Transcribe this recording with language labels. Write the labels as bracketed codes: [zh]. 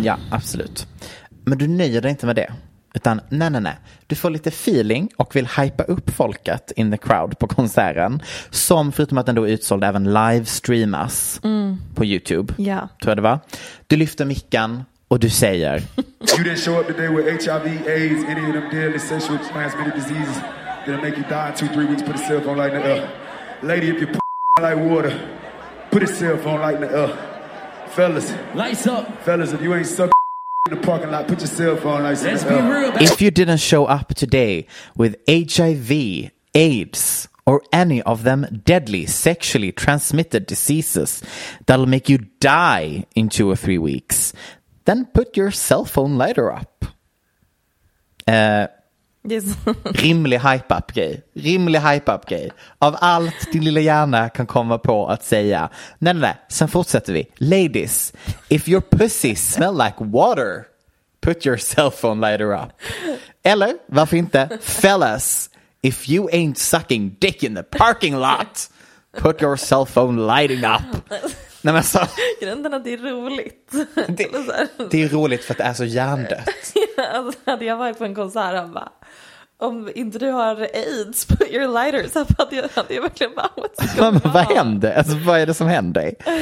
[sv] Ja, absolut. Men du nöjer dig inte med det. Utan nej. Du får lite feeling och vill hypa upp folket [en] in the crowd [sv] på konserten. Som förutom att den då är utsåld även livestreamas på YouTube. Ja. Tror jag det var. Du lyfter mickan och du säger: [en] You didn't show up today with HIV, AIDS, any of them deadly sexual transmitted diseases that'll make you die in 2-3 weeks. Put a cell phone light in the air. Lady, if you put like water, put a cell phone light in the air. Fellas, lights up. Fellas, if you ain't suck in the parking lot, put your cell phone lights in the air. Let's be real. If you didn't show up today with HIV, AIDS, or any of them deadly sexually transmitted diseases that'll make you die in 2 or 3 weeks, then put your cell phone lighter up. Yes. [sv] Rimlig hype-up-grej. Av allt din lilla hjärna kan komma på att säga. Nej. Sen fortsätter vi. [en] Ladies, if your pussy smell like water, put your cell phone lighter up. [sv] Eller, varför inte? [en] Fellas, if you ain't sucking dick in the parking lot, put your cell phone lighting up. [sv] Nej, men så. Grunden att det är roligt. Det är roligt för att det är så hjärndött. Alltså, hade jag varit på en konsert och bara, om inte du har AIDS, [en] put your lighter. [sv] Så att jag hade jag verkligen bara, vad hände? Alltså, vad är det som hände?